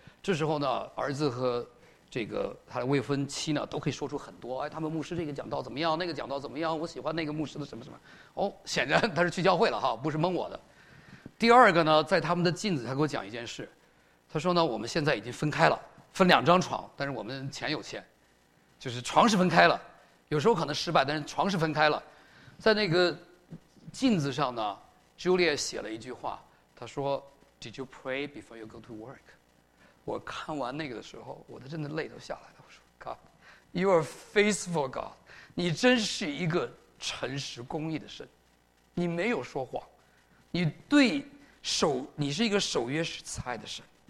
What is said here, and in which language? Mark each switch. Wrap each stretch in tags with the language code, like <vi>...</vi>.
<zh>这时候呢，儿子和这个他的未婚妻呢，都可以说出很多，哎，他们牧师这个讲道怎么样，那个讲道怎么样，我喜欢那个牧师的什么什么。哦，显然他是去教会了哈，不是蒙我的。第二个呢，在他们的镜子，他给我讲一件事，他说呢，我们现在已经分开了，分两张床，但是我们钱有限，就是床是分开了，有时候可能失败，但是床是分开了。在那个镜子上呢， Julia 写了一句话，她说</zh> <en>Did you pray before you go to work?</en> <zh>我看完那个的时候，我都真的泪都下来了。我说</zh> <en>God, you are faithful God,</en> <zh>你真是一个诚实公义的神，你没有说谎，你对守，你是一个守约慈爱的神。</zh>